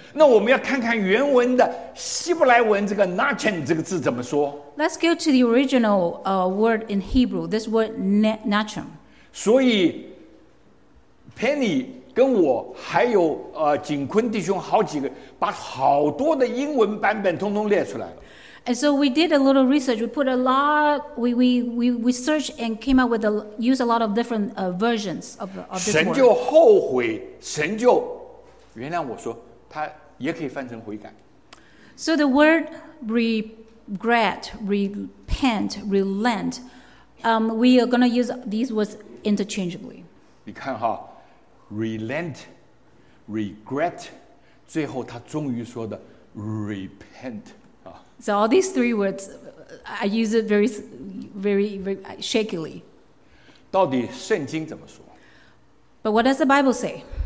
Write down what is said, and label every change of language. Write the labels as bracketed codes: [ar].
[zh] 那我们要看看原文的希伯来文这个 Nachan 这个字怎么说。 [en] Let's go to the original word in Hebrew, this word Nachan. [zh] 所以 Penny 跟我还有景坤弟兄好几个把好多的英文版本通通列出来了。 [en] And so we did a little research. We put a lot, we searched and came up with, used a lot of different versions of this word. [zh] 神就后悔，神就原谅我说，他也可以翻成悔改。 [en] So the word regret, repent, relent, we are going to use these words interchangeably. [zh] 你看哈 ,relent, regret, 最后他终于说的 repent. [en] So all these three words, I use it very, very, very shakily. [zh] 到底圣经怎么说？ [en] But what does the Bible say?